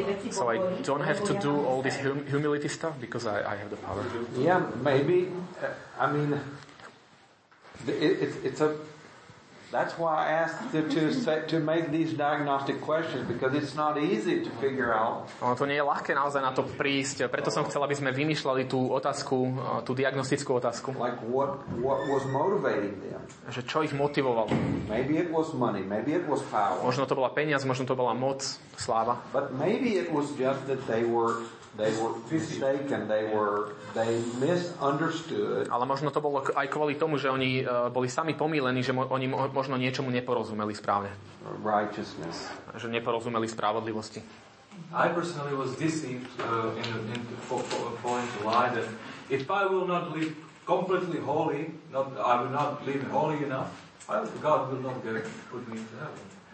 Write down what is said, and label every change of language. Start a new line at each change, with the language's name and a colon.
English: So I don't have to do all this humility stuff because I have the power. Yeah, maybe. I mean, it's a... That's why I asked to make these diagnostic questions, because it's not easy to figure out.
Slovak: Ono to nie je ľahké naozaj na to prísť. Preto som chcel, aby sme vymýšľali tú otázku, tú diagnostickú otázku.
English: Like what was motivating them?
Slovak: Že čo ich motivovalo?
English: Maybe it was money, maybe it was power.
Slovak: Možno to bola peniaz, možno to bola moc, sláva.
English: But maybe it was just that they were mistaken, they misunderstood.
Slovak: Ale možno to bolo aj kvôli tomu, že oni boli sami pomýlení, že oni možno niečomu neporozumeli správne.
English: Righteousness.
Slovak: Že neporozumeli spravodlivosti.
English: I personally was deceived in the point of lie that if I will not live completely holy, I will not live holy enough, God will not put me into heaven.